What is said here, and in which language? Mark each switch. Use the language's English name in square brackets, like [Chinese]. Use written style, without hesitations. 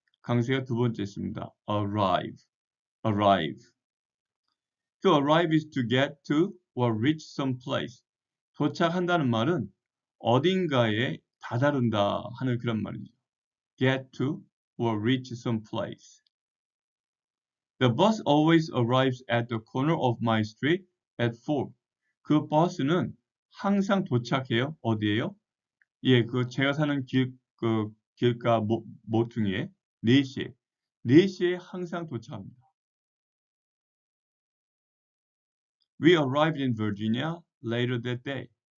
[Korean] 강세가 두 번째 있습니다. [English] 'Arrive', 'Arrive'. To arrive is to get to or reach some place. [Korean] 도착한다는 말은 어딘가에 다다른다 하는 그런 말입니다. [English] Get to or reach some place. The bus always arrives at the corner of my street at 4. [Korean] 그 버스는 항상 도착해요. 어디에요? 예, 그 제가 사는 길, 그 길가 모퉁이에 4시에. 4시에 항상 도착합니다. [English] We arrived in Virginia later that day.